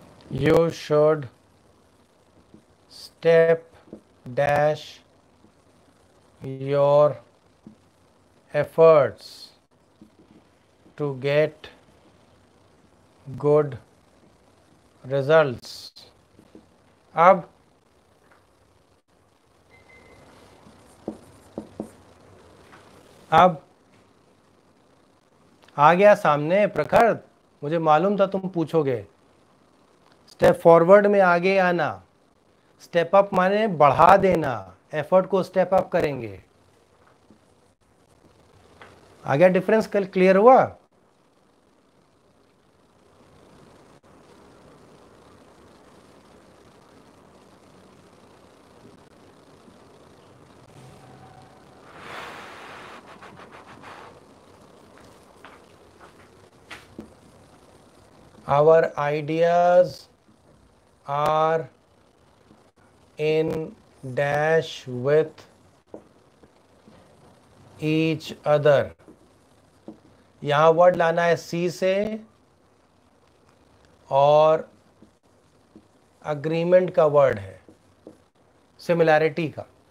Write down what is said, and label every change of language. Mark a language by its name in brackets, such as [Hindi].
[English] You should step dash your efforts to get good results. [Hindi] Ab ab आ गया सामने प्रखर. मुझे मालूम था तुम पूछोगे. स्टेप फॉरवर्ड में आगे आना. स्टेप अप माने बढ़ा देना. एफर्ट को स्टेप अप करेंगे. आ गया डिफरेंस. कल क्लियर हुआ. [English] Our ideas are in dash with each other. [Hindi] यहाँ word लाना है C से और agreement का word है similarity का.